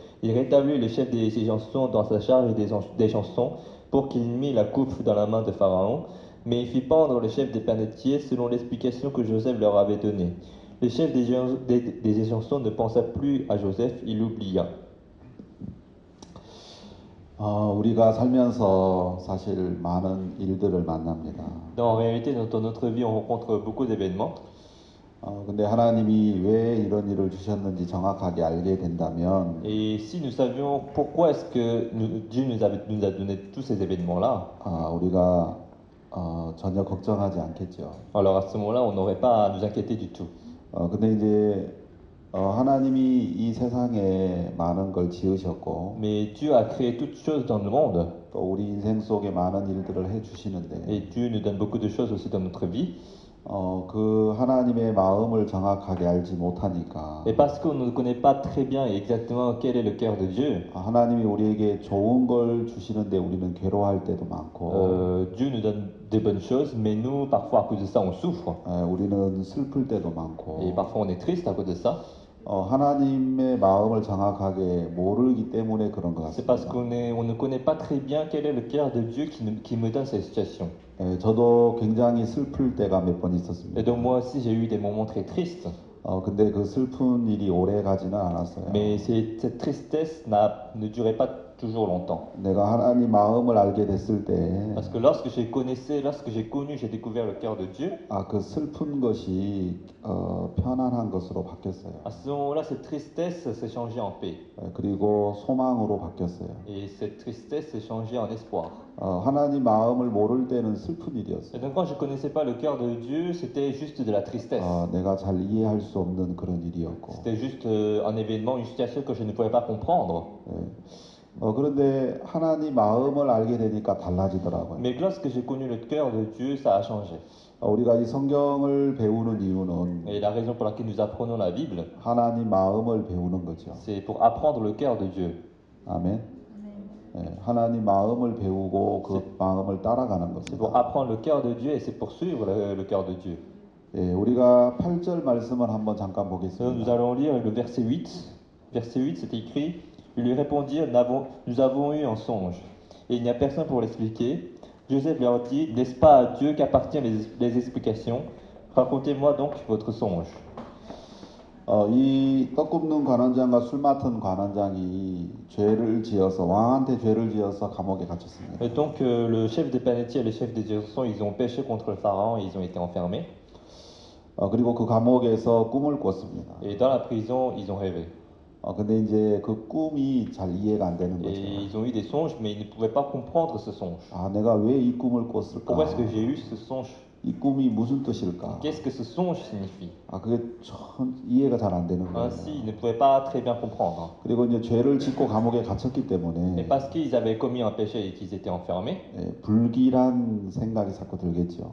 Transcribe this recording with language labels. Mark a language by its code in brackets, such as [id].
[fr] Il rétablit le chef des échansons dans sa charge des échansons pour qu'il mît la coupe dans la main de Pharaon. Mais il fit pendre le chef des panetiers selon l'explication que Joseph leur avait donnée. Le chef des échansons ne pensa plus à Joseph, il l'oublia. [ko] 우리가 살면서 사실 많은 일들을 만납니다. [fr] Donc, en réalité, dans notre vie, on rencontre beaucoup d'événements. [ko] 근데 하나님이 왜 이런 일을 주셨는지 정확하게 알게 된다면, [fr] Et si nous savions pourquoi est-ce que Dieu nous a donné tous ces événements-là, [ko] 우리가 전혀 걱정하지 않겠죠. [fr] alors à ce moment-là, on n'aurait pas à nous inquiéter du tout. [ko] 근데 이제 하나님이 이 세상에 많은 걸 지으셨고, [fr] Mais Dieu a créé toutes choses dans le monde. [ko] 또 우리 인생 속에 많은 일들을 해 주시는데, [fr] Et Dieu nous donne beaucoup de choses aussi dans notre vie. [ko] 그 하나님의 마음을 정확하게 알지 못하니까 [fr] Et parce qu'on ne connaît pas très bien exactement quel est le cœur de Dieu, [ko] 하나님이 우리에게 좋은 걸 주시는데 우리는 괴로워할 때도 많고, [fr] Dieu nous donne des bonnes choses, mais nous, parfois, à cause de ça, on souffre. [ko] 우리는 슬플 때도 많고, [fr] Et parfois, on est triste à cause de ça. [ko] 하나님의 마음을 정확하게 모르기 때문에 그런 것 [fr] C'est parce [ko] 같습니다. [fr] qu'on ne connaît pas très bien quel est le cœur de Dieu qui me donne cette situation. [ko] 저도 굉장히 슬플 때가 몇번 있었습니다. [fr] Et donc, moi aussi, j'ai eu des moments très tristes. [ko] 근데 그 슬픈 일이 오래 가지는 [fr] Mais cette tristesse ne durait pas toujours longtemps. [ko] 않았어요. 내가 하나님 마음을 알게 됐을 [fr] Parce [ko] 때, [fr] que lorsque j'ai connu, j'ai découvert le cœur de Dieu, [ko] 그 슬픈 것이 편안한 것으로 바뀌었어요. [fr] à ce moment-là, cette tristesse s'est changée en paix. [ko] 그리고 소망으로 바뀌었어요. [fr] Et cette tristesse s'est changée en espoir. [ko] 하나님 마음을 모를 때는 슬픈 일이었어요. [fr] Et donc, quand je ne connaissais pas le cœur de Dieu, c'était juste de la tristesse. [ko] 내가 잘 이해할 수 없는 그런 일이었고. [fr] C'était juste un événement, une situation que je ne pouvais pas comprendre. [ko] 그런데 하나님 마음을 알게 되니까 달라지더라고요. [fr] Mais lorsque j'ai connu le cœur de Dieu, ça a changé. [ko] 우리가 이 성경을 배우는 [fr] Et la raison pour laquelle nous apprenons la [ko] 이유는 [fr] Bible, [ko] 하나님 마음을 배우는 거죠. [fr] c'est pour apprendre le cœur de Dieu. [ko] 아멘. 하나님 마음을 배우고 그 마음을 따라가는 [fr] C'est pour apprendre le cœur de Dieu et c'est pour suivre le cœur de Dieu. [ko] 우리가 8절 말씀을 한번 잠깐 보겠습니다. [fr] Nous allons lire le verset 8. Verset 8, c'est écrit. Ils lui répondirent, nous avons eu un songe et il n'y a personne pour l'expliquer. Joseph leur dit, n'est-ce pas à Dieu qu'appartiennent les explications? Racontez-moi donc votre songe. [ko] 이 떡 굽는 관원장과 술 맡은 관원장이 죄를 지어서 왕한테 죄를 지어서 감옥에 갇혔습니다. [fr] Et donc le chef des panetiers et le chef des garçons, ils ont péché contre le pharaon et ils ont été enfermés. [ko] 그리고 그 감옥에서 꿈을 꿨습니다. [fr] Et dans la prison, ils ont rêvé. [ko] 근데 이제 그 꿈이 잘 이해가 안 되는 거죠. [fr] Et ils ont eu des songes, mais ils ne pouvaient pas comprendre ce songe. [ko] 내가 왜이 꿈을 [fr] Pourquoi est-ce que [ko] 꿨을까? [fr] j'ai eu ce songe? [ko] 이 꿈이 무슨 뜻일까? [fr] Qu'est-ce que ce songe signifie? [ko] 그게 전 이해가 잘안 되는 거예요. [fr] Ainsi, ils ne pouvaient pas très bien comprendre. [ko] 그리고 이제 죄를 짓고 감옥에 갇혔기 때문에 [fr] Et parce qu'ils avaient commis un péché et qu'ils étaient enfermés, [ko] 불길한 생각이 자꾸 들겠죠.